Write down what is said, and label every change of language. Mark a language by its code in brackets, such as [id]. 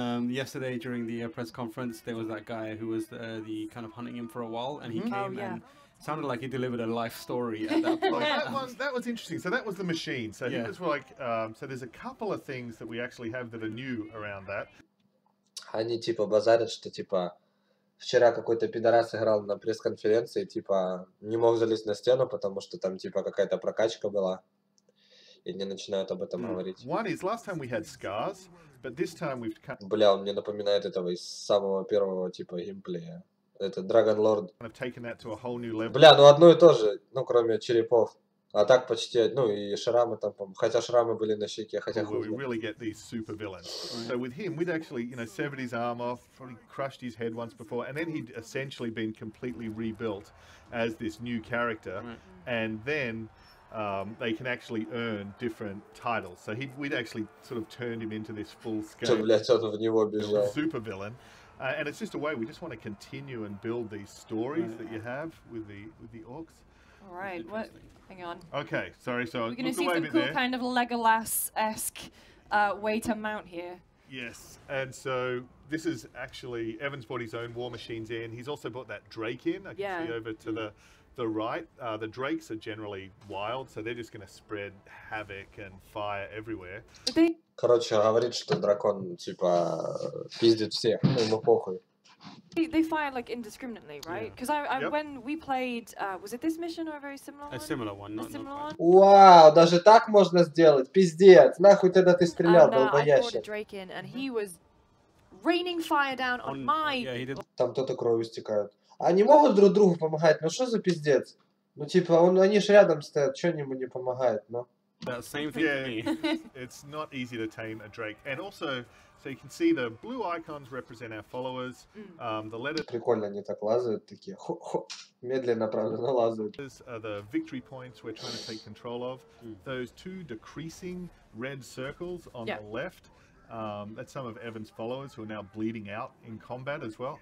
[en] Yesterday during the press conference, there was that guy who was the kind of hunting him for a while, and he came and sounded like he delivered a life story at that point. That was interesting. So that was the machine. So yeah. He was like, so there's a couple of things that we actually have that are new around that. [ru] Они типа базарят, что типа вчера какой-то пидорас играл на пресс-конференции, типа не мог залезть на стену, потому что там типа какая-то прокачка была. И не начинают об этом говорить. [en] One is last time we had scars, but this time we've cut. [ru] Бля, он мне напоминает этого из самого первого типа геймплея. Это Dragon Lord. [en] I've taken that to a whole new level. [ru] Бля, ну одно и то же, ну кроме черепов. А так почти, ну и шрамы там, хотя шрамы были на щеке, хотя хуже. [en] We really get these super villains. So with him, we'd actually, you know, severed his arm off, probably crushed his head once before, and then he'd essentially been completely rebuilt as this new character, and then. They can actually earn different titles. So we'd actually sort of turned him into this full-scale super villain. And it's just a way, we just want to continue and build these stories that you have with the orcs. All right, what? Hang on. Okay, sorry, so we're going to see some cool there. Kind of Legolas-esque way to mount here. Yes, and so this is actually, Evan's brought his own war machines in. He's also brought that Drake in, see over to the right, the drakes are generally wild, so they're just going to spread havoc and fire everywhere. [ru] Короче, говорит, что дракон типа пиздит всех, ему похуй. [en] They fire like indiscriminately, right? Because I yep. when we played, was it this mission or a very similar one? A similar one. Not, a similar not [ru] Wow, даже так можно сделать? Пиздец! Нахуй тогда ты стрелял, долбоящий. [en] I brought a Drake in, and he was raining fire down on my. Yeah, he did. [ru] Там кто-то кровью стекает. Они могут друг другу помогать, но что за пиздец? Ну типа, он, они ж рядом стоят, что они ему не помогают, но. [en] That same thing yeah, to me. It's not easy to tame a Drake. And also, so you can see the blue icons represent our followers. The letter... [ru] Прикольно, они так лазают, такие, хо-хо, медленно, правда, лазают. [en] These are the victory points we're trying to take control of. Those two decreasing red circles on the left, that's some of Evan's followers who are now bleeding out in combat as well.